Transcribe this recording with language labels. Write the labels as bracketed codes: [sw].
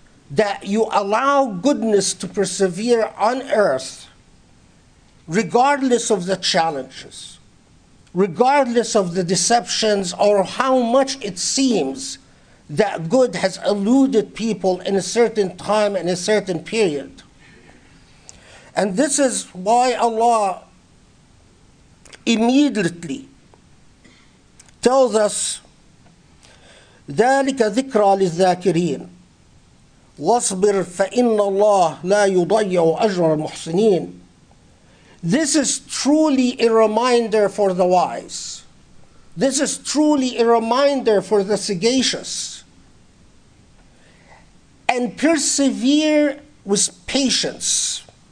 [en] that you allow goodness to persevere on earth regardless of the challenges, regardless of the deceptions, or how much it seems that good has eluded people in a certain time and a certain period. And this is why Allah immediately tells us, [ar] ذَلِكَ ذِكْرَى لِلذَّاكِرِينَ وَاصْبِرْ فَإِنَّ اللَّهَ لَا يُضَيَّعُ أَجْرَ الْمُحْسِنِينَ. [en] This is truly a reminder for the wise. This is truly a reminder for the sagacious. And persevere with patience.